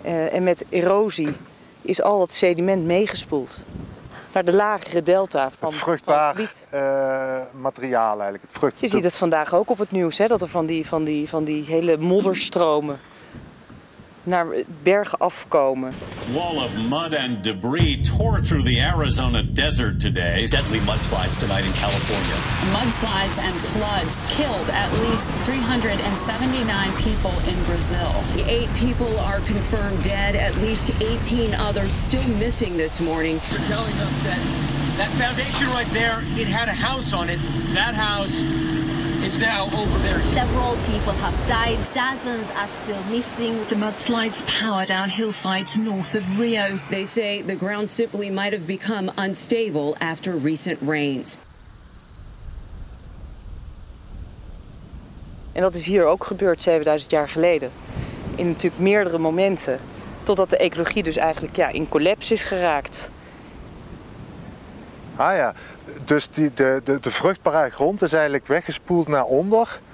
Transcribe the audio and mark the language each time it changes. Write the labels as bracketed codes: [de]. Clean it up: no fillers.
[nl] En met erosie is al dat sediment meegespoeld naar de lagere delta van het vruchtbaar materiaal eigenlijk. Het vruchtbaar. Je ziet het vandaag ook op het nieuws, hè, dat er van die hele modderstromen naar bergen afkomen. [en] Wall of mud and debris tore through the Arizona desert today. Deadly mudslides tonight in California. Mudslides and floods killed at least 379 people in Brazil. 8 people are confirmed dead, at least 18 others still missing this morning. They're telling us that foundation right there, it had a house on it. That house is now over there. Several people have died. Dozens are still missing. The mudslides power down hillsides north of Rio. They say the ground simply might have become unstable after recent rains. [nl] En dat is hier ook gebeurd 7000 jaar geleden. In natuurlijk meerdere momenten. Totdat de ecologie dus eigenlijk in collaps is geraakt. Ah ja. Dus de vruchtbare grond is eigenlijk weggespoeld naar onder.